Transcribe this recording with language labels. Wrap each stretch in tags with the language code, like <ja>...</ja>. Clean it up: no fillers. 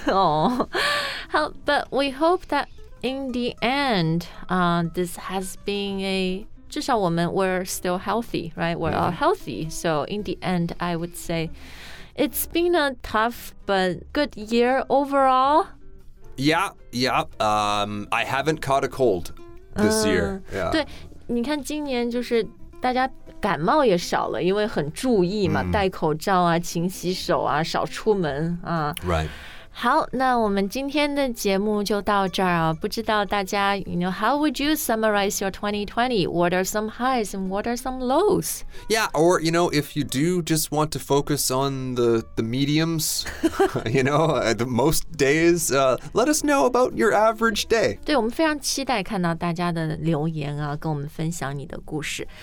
<en>Oh, but we hope that in the end, this has been a,</en> <zh>至少我们</zh> <en>we're still healthy, right? We're all healthy. So in the end, I would say it's been a tough but good year overall. Yeah. I haven't caught a cold this year. Yeah.</en> <zh>对，你看今年就是大家感冒也少了，因为很注意嘛，戴口罩啊，勤洗手啊，少出门啊。</zh> <en>Right.</en> <zh>好，那我们今天的节目就到这儿啊。不知道大家</zh> <en>，you know, how would you summarize your 2020? What are some highs and what are some lows? Yeah, or you know, if you do just want to focus on the mediums, you know, the most days, let us know about your average day.</en> <zh>对，我们非常期待看到大家的留言啊，跟我们分享你的故事。</zh>